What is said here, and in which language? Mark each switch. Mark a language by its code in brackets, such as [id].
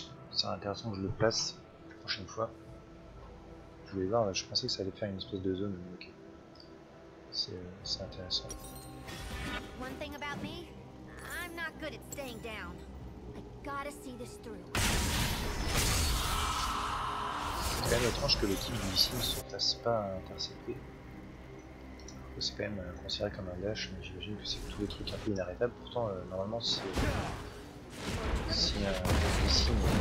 [fr] C'est intéressant que je le place la prochaine fois. Je voulais voir, je pensais que ça allait faire une espèce de zone, mais ok. C'est intéressant. [en] One thing about me, I'm not good at staying down. I gotta see this through. [fr] C'est quand même étrange que l'équipe du missile ne se fasse pas intercepter. C'est quand même considéré comme un lâche, mais j'imagine que c'est tous les trucs un peu inarrêtables. Pourtant, normalement, c'est. Si un missile.